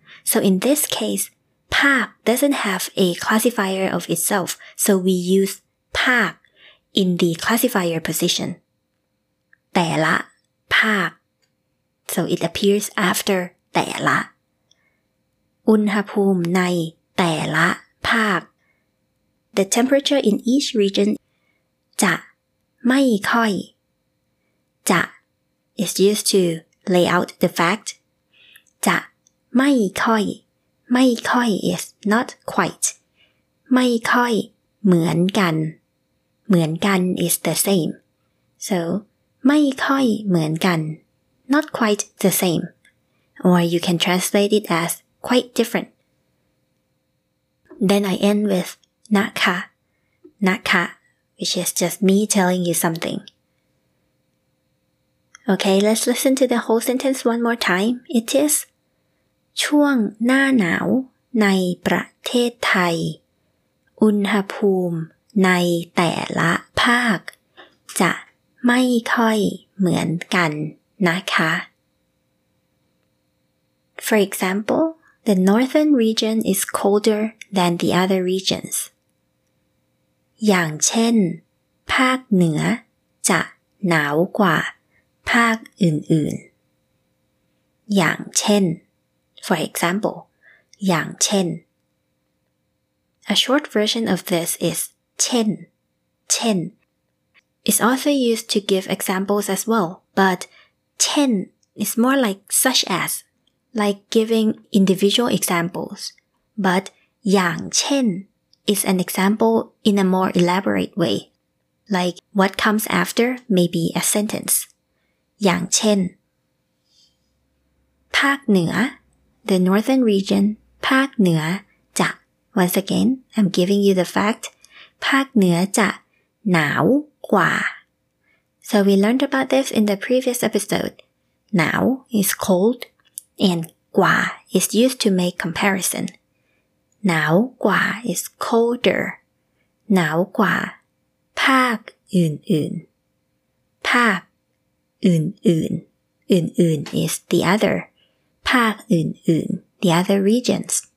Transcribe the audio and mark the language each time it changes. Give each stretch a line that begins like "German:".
English: So in this case, ภาค doesn't have a classifier of itself, so we use ภาค in the classifier position.
Thai: แต่ละภาค.
English: So it appears after แต่ละ
Thai: อุณหภูมิในแต่ละภาค.
English: The temperature in each region จะไม่ค่อย. จะ is used to lay out the fact.
Thai: จะไม่ค่อย.
English: ไม่ค่อย is not quite.
Thai: ไม่ค่อยเหมือนกัน.
English: เหมือนกัน is the same. So
Thai: ไม่ค่อยเหมือนกัน.
English: Not quite the same. Or you can translate it as quite different. Then I end with นะคะ, นะคะ, which is just me telling you something. Okay, let's listen to the whole sentence one more time. It is
Thai: ช่วงหน้าหนาวในประเทศไทยอุณหภูมิในแต่ละภาคจะไม่ค่อยเหมือนกันนะคะ.
English: For example,The northern region is colder than the other regions.
Thai: อย่างเช่นภาคเหนือจะหนาวกว่าภาคอื่นๆอย่างเช่น
English: For example, อย่างเช่น A short version of this is เช่น, เช่น. It's also used to give examples as well, but เช่น is more like such as. Like giving individual examples, but อย่างเช่น is an example in a more elaborate way, like what comes after may be a sentence.
Thai: อย่างเช่นภาคเหนือ
English: the northern region,
Thai: ภาคเหนือจะ
English: once again, I'm giving you the fact,
Thai: ภาคเหนือจะหนาวกว่า.
English: So we learned about this in the previous episode. หนาว is cold. And กว่า is used to make comparison. หนาวกว่า is colder.
Thai: หนาวกว่าภาคอื่นๆ ภาคอื่นๆ
English: อื่นๆ is the other. ภาคอื่นๆ the other regions.